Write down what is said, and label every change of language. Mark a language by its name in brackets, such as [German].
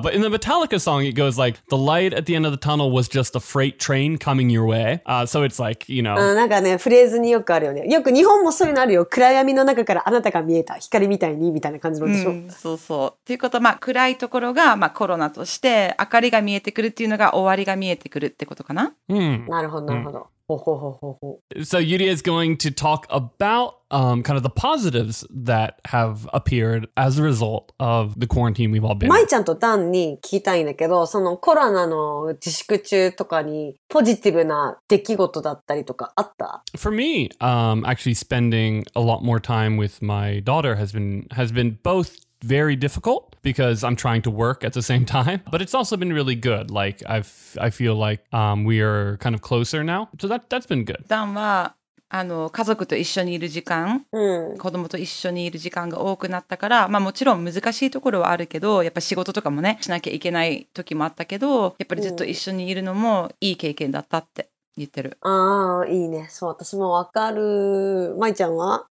[English] But in the Metallica song, it goes like the light at the end of the tunnel was just a freight train coming your way. So it's like you know. [Japanese] なんかねフレーズによくあるよね。よく日本もそういうのあるよ。暗闇の中からあなたが見えた光みたいにみたいな感じのでしょ。そうそう。ということはまあ暗いところがまあコロナとして明かりが見えてくるっていうのが終わりが見えてくるってことかな。なるほどなるほど。 [English] So Yudia is going to talk about kind of the positives that have appeared as a result of the quarantine we've all been. [Japanese] Mai ちゃんとダンに聞きたいんだけど、そのコロナの自粛中とかにポジティブな出来事だったりとかあった？ [English] For me, actually spending a lot more time with my daughter has been both very difficult because I'm trying to work at the same time, but it's also been really good. Like I feel like we are kind of closer now, so that's been good. [Japanese] ダンはあの家族と一緒にいる時間、子供と一緒にいる時間が多くなったから、まあもちろん難しいところはあるけど、やっぱ仕事とかもねしなきゃいけない時もあったけど、やっぱりずっと一緒にいるのもいい経験だったって言ってる。ああいいね。そう私もわかる。まいちゃんは？